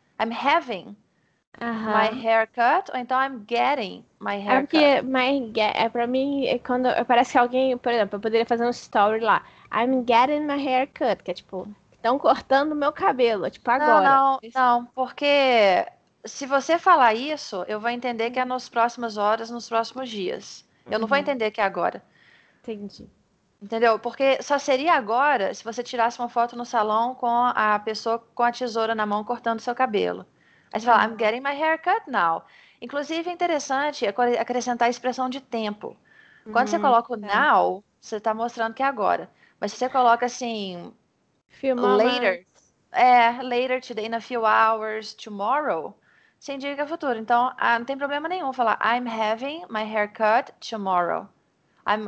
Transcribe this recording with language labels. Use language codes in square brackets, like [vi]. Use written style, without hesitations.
[en] I'm having my haircut, [pt] ou então [en] I'm getting my haircut. [pt] É porque pra mim, é quando aparece alguém, por exemplo, eu poderia fazer um story lá. [en] I'm getting my hair cut, [pt] que é tipo, estão cortando meu cabelo, tipo, Não, agora. não, não, porque se você falar isso, eu vou entender que é nas próximas horas, nos próximos dias. Eu não vou entender que é agora. Entendi. Entendeu? Porque só seria agora se você tirasse uma foto no salão com a pessoa com a tesoura na mão cortando seu cabelo. Aí você fala, [en] I'm getting my hair cut now. [pt] Inclusive, é interessante acrescentar a expressão de tempo. Quando você coloca o Tá. now, você está mostrando que é agora. Mas se você coloca assim, [en] Few later. moments. Later today, in a few hours, tomorrow, [pt] você indica o futuro. Então, não tem problema nenhum falar [en] I'm having my hair cut tomorrow. I'm